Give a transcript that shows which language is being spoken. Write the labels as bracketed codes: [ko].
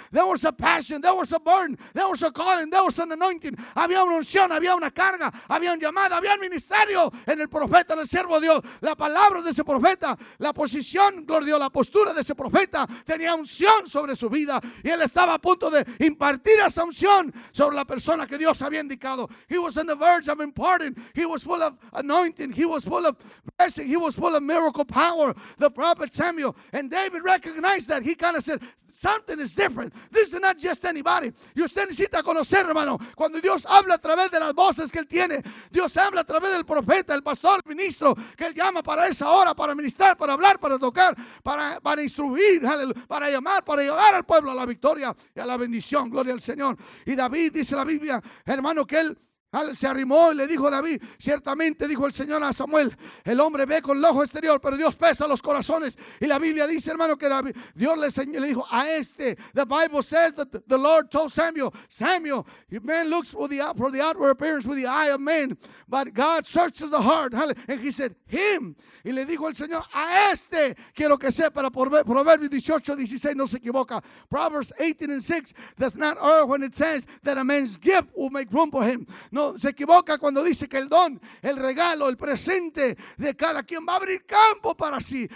[en] There was a passion, there was a burn, there was a calling, there was an anointing. [es] Había una unción, había una carga, había un llamado, había un ministerio en el profeta, en el siervo de Dios. La palabra de ese profeta, la posición, gloria a Dios, la postura de ese profeta tenía unción sobre su vida. Y él estaba a punto de impartir esa unción sobre la persona que Dios había indicado. [en] He was on the verge of imparting. He was full of anointing. He was full of blessing. He was full of miracle power. The prophet Samuel. And David recognized that. He kind of said, something is different. This is not just anybody. [es] Y usted necesita conocer, hermano, cuando Dios habla a través de las voces que Él tiene. Dios habla a través del profeta, el pastor, el ministro, que Él llama para esa hora, para ministrar, para hablar, para tocar, para instruir, para llamar, para llevar al pueblo a la victoria y a la bendición. Gloria al Señor. Y David, dice la Biblia, hermano, que él se arrimó y le dijo a David, ciertamente dijo el Señor a Samuel, el hombre ve con el ojo exterior, pero Dios pesa los corazones. Y la Biblia dice, hermano, que David, Dios le dijo a este, [en] the Bible says that the Lord told Samuel, man looks for the outward appearance with the eye of man, but God searches the heart. And he said, him. [es] Y le dijo el Señor, a este quiero que sepa, Proverbios 18, 16, no se equivoca. [en] Proverbs 18 and 6 does not err when it says that a man's gift will make room for him. [es] No, se equivoca cuando dice que el don, el regalo, el presente de cada quien va a abrir campo para sí.